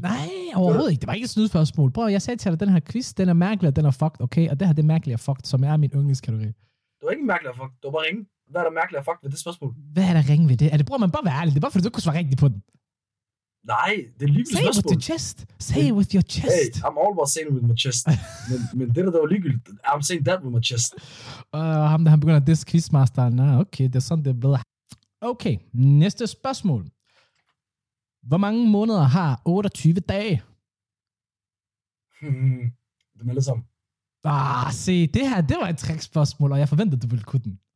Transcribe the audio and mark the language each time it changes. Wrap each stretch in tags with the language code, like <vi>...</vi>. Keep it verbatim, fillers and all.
<da>Nej, overhovedet ikke. Det var ikke et snydespørgsmål. Prøv, jeg sagde til dig, den her quiz, den er mærkelig, og den er fucked, okay? Og det her, det er mærkelig og fucked, som er min yndlingskategori. Det var ikke mærkelig og fucked. Det var bare ringe. Hvad er der mærkeligt at fuck ved det spørgsmål? Hvad er der ringe ved det? Er det bror, man bare være ærlig? Det er bare, fordi du ikke kunne svare rigtigt på den. Nej, det er ligegyldigt spørgsmål.</da> <en>Say it with your chest. Say it with your chest. Hey, I'm always saying with my chest.</en> <da>men, men det der, der var ligegyldigt.</da> <en>I'm saying that with my chest.</en> <da>Og uh, ham, der han begynder at diss quizmasteren. Nå, okay, det er sådan, det er blevet. Okay, næste spørgsmål. Hvor mange måneder har otteogtyve dage? Hmm, det er alle sammen. Ah, se, det her, det var et trickspørgsmål, og jeg forventede, du ville kunne den.</da>